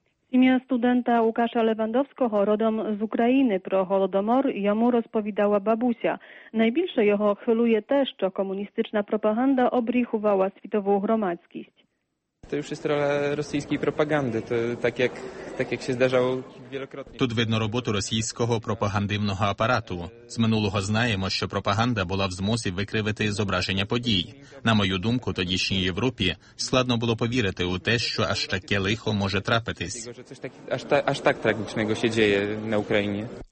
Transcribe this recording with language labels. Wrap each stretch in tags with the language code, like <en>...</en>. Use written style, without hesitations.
<uk>Ім'я студента Łukasza Lewandowskiego, родом з України, про Голодомор йому розповідала бабуся. Найбільше його хвилює те, що комуністична пропаганда обріхувала світову громадськість.</uk> <pl>to już jest rola rosyjskiej propagandy, to tak jak się zdarzało wielokrotnie.</pl> <uk>Тут видно роботу російського пропагандивного апарату. З минулого знаємо, що пропаганда була в змозі викривити зображення подій. На мою думку, тодішній Європі складно було повірити у те, що аж таке лихо може трапитись. Аж так трагічного ще діє на Україні.</uk>